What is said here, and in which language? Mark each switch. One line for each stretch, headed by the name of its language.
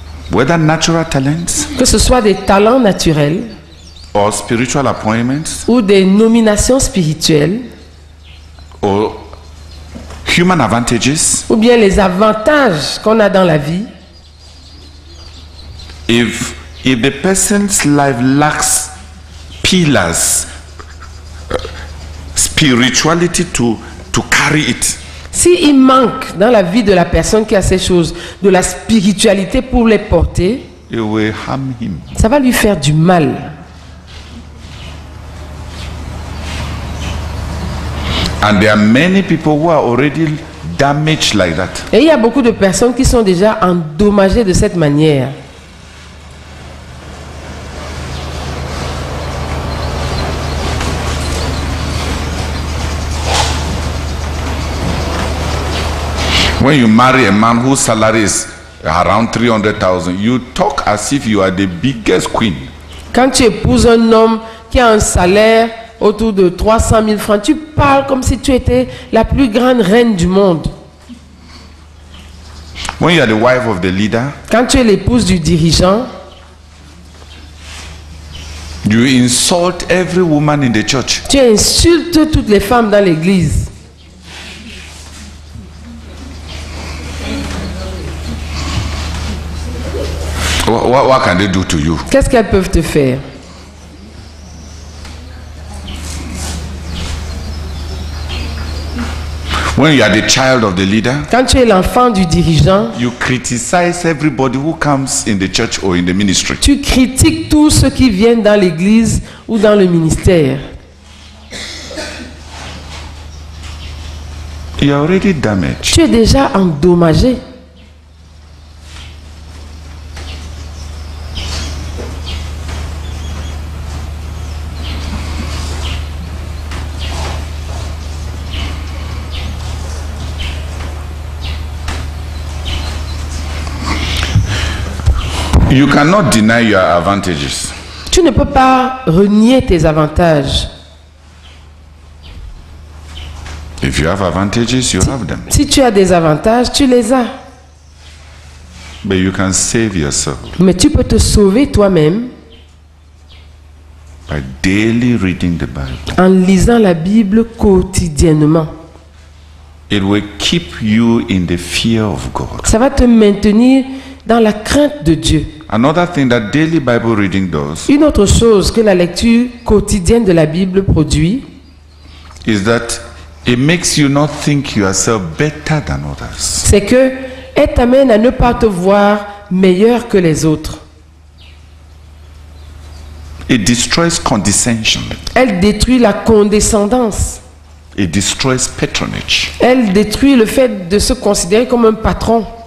English: Whether natural talents,
French: que ce soit des talents naturels
English: or spiritual appointments,
French: ou des nominations spirituelles
English: or human advantages,
French: ou bien les avantages qu'on a dans la vie.
English: If the person's life lacks pillars, spirituality to carry it.
French: Si il manque dans la vie de la personne qui a ces choses de la spiritualité pour les porter,
English: it will harm him.
French: Ça va lui faire du mal.
English: And there are many people who are already damaged like that.
French: Et il y a beaucoup de personnes qui sont déjà endommagées de cette manière.
English: When you marry a man whose salary is around 300,000, you talk as if you are the biggest queen.
French: Quand tu épouses un homme qui a un salaire autour de 300 000 francs, tu parles comme si tu étais la plus grande reine du monde.
English: When you are the wife of the leader,
French: quand tu es l'épouse du dirigeant,
English: you insult every woman in the church.
French: Tu insultes toutes les femmes dans l'église.
English: What can they do to you?
French: Qu'est-ce qu'elles peuvent te faire?
English: When you are the child of the leader,
French: quand tu es l'enfant du dirigeant,
English: you criticize everybody who comes in the church or in the ministry.
French: Tu critiques tous ceux qui viennent dans l'église ou dans le ministère.
English: You are already damaged.
French: Tu es déjà endommagé.
English: You cannot deny your advantages.
French: Tu ne peux pas renier tes avantages.
English: If you have advantages, you have them.
French: Si tu as des avantages, tu les as.
English: But you can save yourself.
French: Mais tu peux te sauver toi-même.
English: By daily reading the Bible.
French: En lisant la Bible quotidiennement.
English: It will keep you in the fear of God.
French: Ça va te maintenir dans la crainte de Dieu.
English: Another thing that daily Bible reading does,
French: une autre chose que la lecture quotidienne de la Bible produit,
English: is that it makes you not think yourself better than others.
French: C'est que elle t'amène à ne pas te voir meilleur que les autres.
English: It destroys condescension.
French: Elle détruit la condescendance.
English: It destroys patronage.
French: Elle détruit le fait de se considérer comme un patron.